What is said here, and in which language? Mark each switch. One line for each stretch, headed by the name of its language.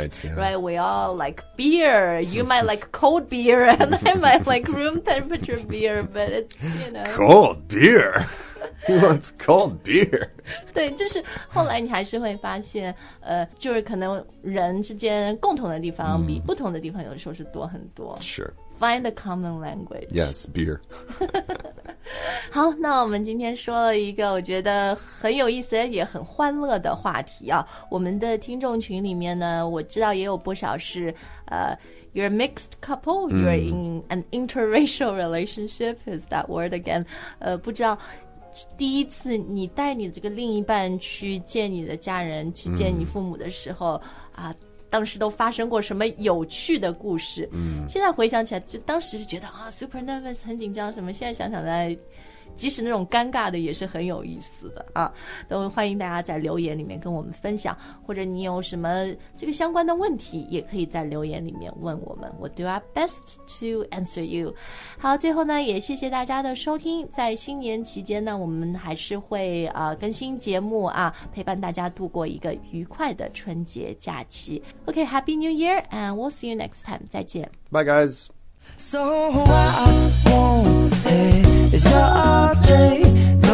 English: right?、Yeah. Right, we all like beer. You might like cold beer, and I might like room temperature beer, but it's you know cold beer. He wants cold beer.
Chinese: 对，就是后来你还是会发现，就是可能人之间共同的地方比不同的地方有的时候是多很多。
English: Sure. Find a common language. Yes, beer.
Chinese: 好，那我们今天说了一个我觉得很有意思也很欢乐的话题啊。我们的听众群里面呢，我知道也有不少是
English: You're a mixed couple, you're in an interracial relationship, is that word again?
Chinese: 不知道第一次你带你这个另一半去见你的家人去见你父母的时候、mm. 啊，当时都发生过什么有趣的故事、mm. 现在回想起来就当时是觉得啊
English: super nervous
Chinese: 很紧张什么现在想想在即使那种尴尬的也是很有意思的啊，都欢迎大家在留言里面跟我们分享或者你有什么这个相关的问题也可以在留言里面问我们
English: We'll do our best to answer you
Chinese: 好最后呢也谢谢大家的收听在新年期间呢我们还是会、更新节目啊，陪伴大家度过一个愉快的春节假期
English: OK Happy New Year and we'll see you next time
Chinese: 再见
English: Bye guys So why won't they? It's your day.